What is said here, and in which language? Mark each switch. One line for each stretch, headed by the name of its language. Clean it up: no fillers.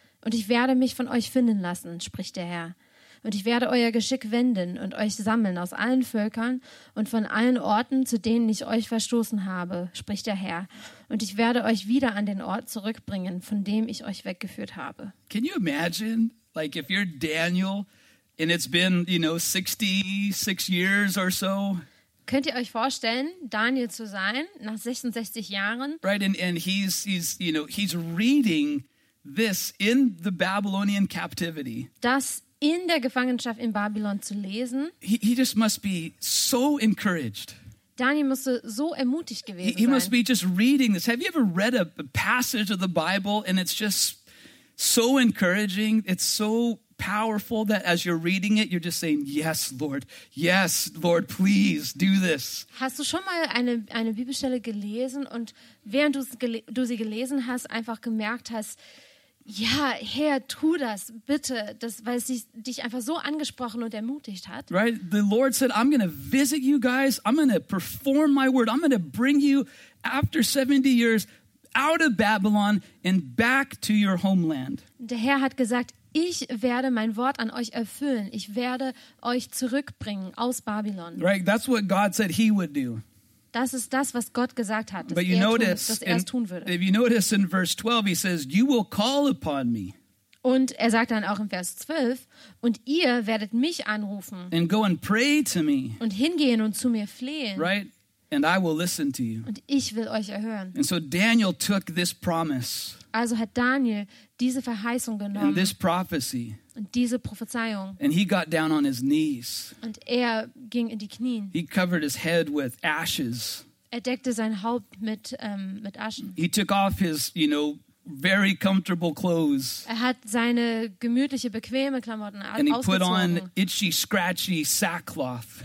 German: Und ich werde mich von euch finden lassen, spricht der Herr. Und ich werde euer Geschick wenden und euch sammeln aus allen Völkern und von allen Orten, zu denen ich euch verstoßen habe, spricht der Herr. Und ich werde euch wieder an den Ort zurückbringen, von dem ich euch weggeführt habe.
English: Can you imagine, like if you're Daniel and it's been, you know, 66 years or so?
German: Könnt ihr euch vorstellen, Daniel zu sein nach 66 Jahren?
English: Right, and he's you know, he's reading this in the Babylonian captivity.
German: Das in der Gefangenschaft in Babylon zu lesen.
English: He just must be so encouraged.
German: Daniel musste so ermutigt gewesen sein.
English: He must be just reading this. Have you ever read a passage of the Bible and it's just so encouraging? It's so powerful that as you're reading it, you're just saying, yes, Lord, please do this.
German: Hast du schon mal eine Bibelstelle gelesen und während du sie gelesen hast, einfach gemerkt hast, ja, Herr, tu das, bitte, das, weil es dich einfach so angesprochen und ermutigt hat.
English: Right, the Lord said, I'm going to visit you guys, I'm going to perform my word, I'm going to bring you after 70 years out of Babylon and back to your homeland.
German: Der Herr hat gesagt, ich werde mein Wort an euch erfüllen. Ich werde euch zurückbringen aus Babylon.
English: Right, that's what God said he would do.
German: Das ist das, was Gott gesagt hat, dass er es tun würde.
English: If you notice in verse 12, he says, you will call upon me.
German: Und er sagt dann auch in Vers 12, und ihr werdet mich anrufen.
English: And go and pray to me.
German: Und hingehen und zu mir flehen.
English: Right, and I will listen to you.
German: Und ich will euch erhören.
English: And so Daniel took this promise.
German: Also hat Daniel diese Verheißung genommen.
English: And this prophecy.
German: Und diese Prophezeiung.
English: And he got down on his knees.
German: Und er ging in die Knien.
English: He covered his head with ashes.
German: Er deckte sein Haupt mit Aschen.
English: He took off his, you know, very comfortable clothes.
German: Er hat seine gemütliche, bequeme Klamotten ausgezogen.
English: And he put on itchy, scratchy sackcloth.